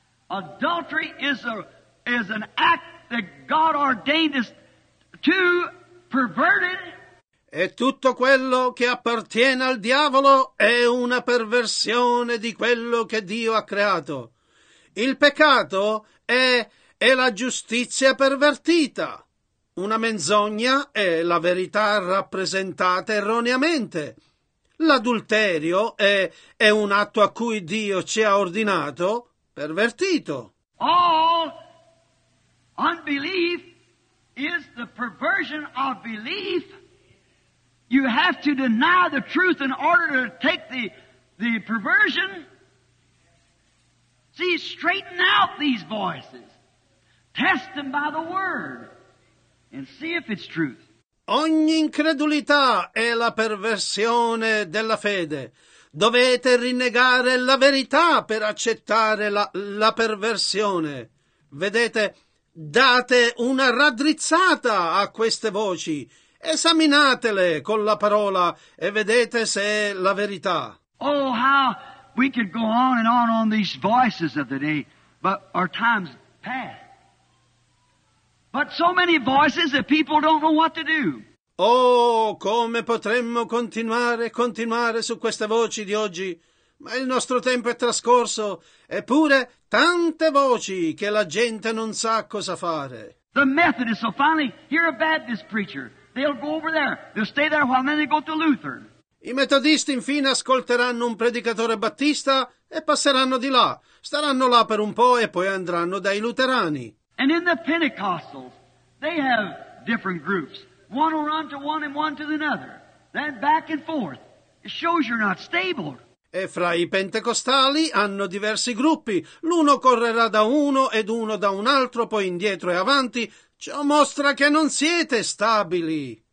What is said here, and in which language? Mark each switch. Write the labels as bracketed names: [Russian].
[English] Adultery is an act that God ordained is too perverted? [Italian] E tutto quello che appartiene al diavolo è una perversione di quello che Dio ha creato. Il peccato è la giustizia pervertita. Una menzogna è la verità rappresentata erroneamente. L'adulterio è un atto a cui Dio ci ha ordinato pervertito. [English] All unbelief is the perversion of belief. You have to deny the truth in order to take the perversion. See, straighten out these voices. Test them by the word. And see if it's truth. [Italian] Ogni incredulità è la perversione della fede. Dovete rinnegare la verità per accettare la perversione. Vedete, date una raddrizzata a queste voci. Esaminatele con la parola e vedete se è la verità. [English] Oh, how we could go on these voices of the day, but our time's past. But so many voices that people don't know what to do. [Italian] Oh, come potremmo continuare e continuare su queste voci di oggi, ma il nostro tempo è trascorso, eppure tante voci che la gente non sa cosa fare. [English] The Methodists, so finally, you're a Baptist preacher. They'll go over there. They'll stay there while then they go to Luther. [Italian] I metodisti infine ascolteranno un predicatore battista e passeranno di là. Staranno là per un po' e poi andranno dai luterani. [English] And in the Pentecostals, they have different groups. One will run to one and one to the other. Then back and forth. It shows you're not stable. [Italian] E fra i pentecostali hanno diversi gruppi. L'uno correrà da uno ed uno da un altro, poi indietro e avanti. Ciò mostra che non siete stabili.